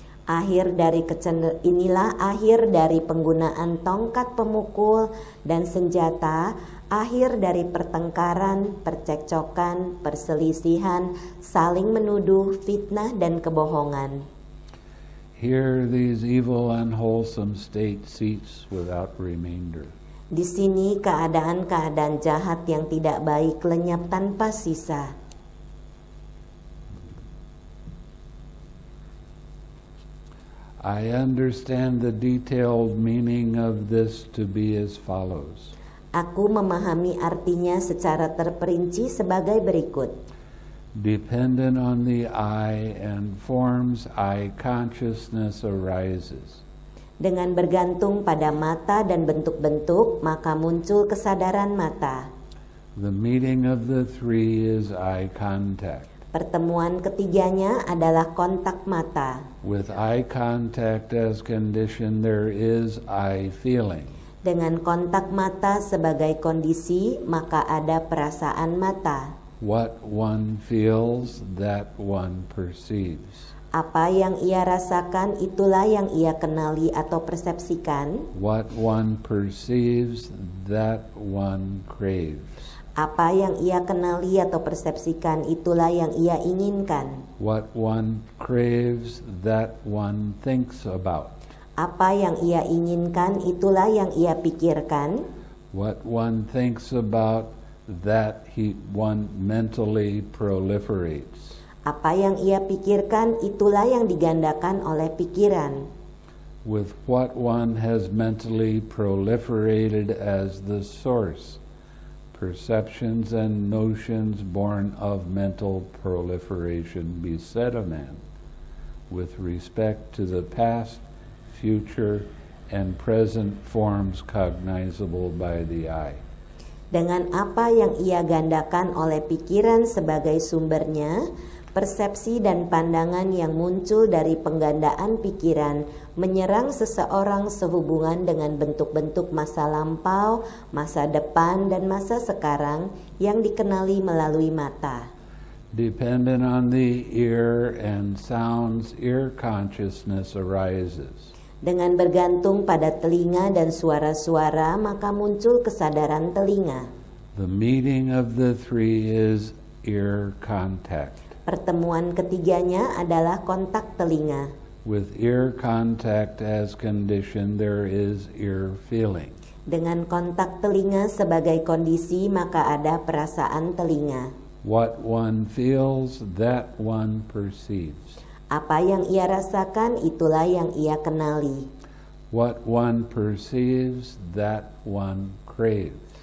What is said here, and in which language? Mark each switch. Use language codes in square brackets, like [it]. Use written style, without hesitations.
[id] Akhir dari inilah akhir dari penggunaan tongkat pemukul dan senjata, akhir dari pertengkaran, percekcokan, perselisihan, saling menuduh, fitnah, dan kebohongan. [en] Here these evil and unwholesome state seats without remainder. [id] Di sini keadaan-keadaan jahat yang tidak baik lenyap tanpa sisa. [en] I understand the detailed meaning of this to be as follows. [id] Aku memahami artinya secara terperinci sebagai berikut. [en] Dependent on the eye and forms, eye consciousness arises. [id] Dengan bergantung pada mata dan bentuk-bentuk, maka muncul kesadaran mata. [en] The meeting of the three is eye contact. [id] Pertemuan ketiganya adalah kontak mata. [en] With eye contact as condition, there is eye feeling. [id] Dengan kontak mata sebagai kondisi, maka ada perasaan mata. [en] What one feels, that one perceives. [id] Apa yang ia rasakan, itulah yang ia kenali atau persepsikan. [en] What one perceives, that one craves. [id] Apa yang ia kenali atau persepsikan, itulah yang ia inginkan. [en] What one craves, that one thinks about. [id] Apa yang ia inginkan, itulah yang ia pikirkan. [en] What one thinks about, that he one mentally proliferates. [id] Apa yang ia pikirkan, itulah yang digandakan oleh pikiran. [en] With what one has mentally proliferated as the source, perceptions and notions born of mental proliferation beset a man, with respect to the past, future, and present forms cognizable by the eye. [id] Dengan apa yang ia gandakan oleh pikiran sebagai sumbernya, persepsi dan pandangan yang muncul dari penggandaan pikiran menyerang seseorang sehubungan dengan bentuk-bentuk masa lampau, masa depan, dan masa sekarang yang dikenali melalui mata. [en] dependent on the ear and sounds, ear consciousness arises. [id] Dengan bergantung pada telinga dan suara-suara, maka muncul kesadaran telinga. [en] The meeting of the three is ear contact. [id] Pertemuan ketiganya adalah kontak telinga. [en] With ear contact as condition, there is ear feeling. [id] Dengan kontak telinga sebagai kondisi, maka ada perasaan telinga. [en] What one feels, that one perceives. [id] Apa yang ia rasakan, itulah yang ia kenali. [en] What one perceives, that one craves.